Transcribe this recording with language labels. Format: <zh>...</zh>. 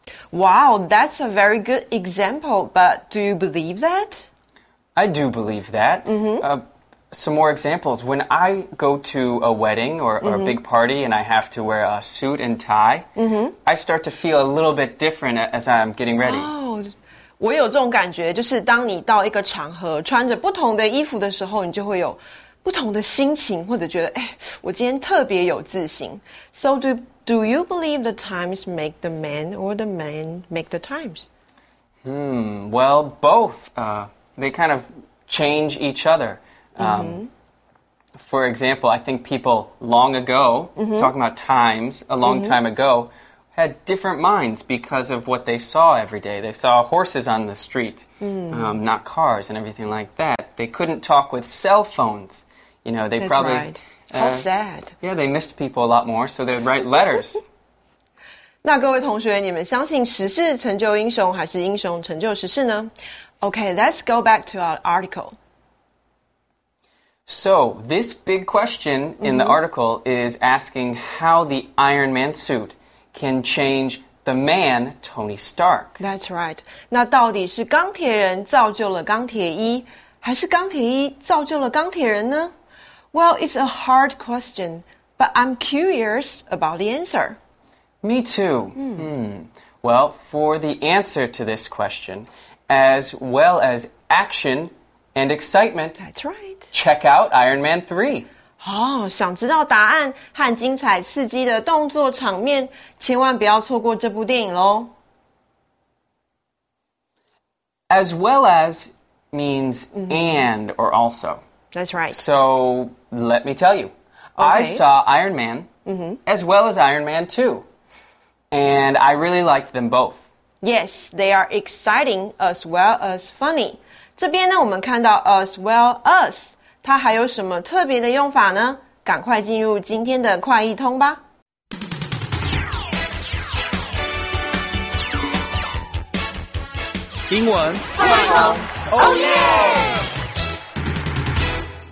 <en>Wow, that's a very good example, but do you believe that? I do believe that. Some more examples. When I go to a wedding or a big party and I have to wear a suit and tie, I start to feel a little bit different as I'm getting ready.</en> <zh>Oh, 我有这种感觉，就是当你到一个场合穿着不同的衣服的时候，你就会有不同的心情，或者觉得，哎，我今天特别有自信。</zh> <en>So do you believe the times make the man or the man make the times? Well, both. They kind of change each other. For example, I think people long ago, talking about times, a long time ago, had different minds because of what they saw every day. They saw horses on the street, not cars and everything like that. They couldn't talk with cell phones. You know, they That's right. How sad. Yeah, they missed people a lot more, so they'd write letters.</en> <zh>那各位同学，你们相信时势成就英雄，还是英雄成就时势呢？</zh> <en>Okay, let's go back to our article. So, this big question in the article is asking how the Iron Man suit can change the man, Tony Stark. That's right.</en> <zh>那到底是钢铁人造就了钢铁衣，还是钢铁衣造就了钢铁人呢？</zh> <en>Well, it's a hard question, but I'm curious about the answer. Me too. Well, for the answer to this question, as well as action and excitement, That's right. check out Iron Man 3.</en> <zh>想知道答案和精彩刺激的动作场面，千万不要错过这部电影咯。</zh> <en>As well as means and or also. That's right. So, let me tell you. Okay. I saw Iron Man as well as Iron Man 2. And I really liked them both. Yes, they are exciting as well as funny.</en> <zh>这边呢，我们看到 as well as, 它还有什么特别的用法呢？赶快进入今天的快译通吧。英文快译通 ，</zh> <en>Oh yeah!</en>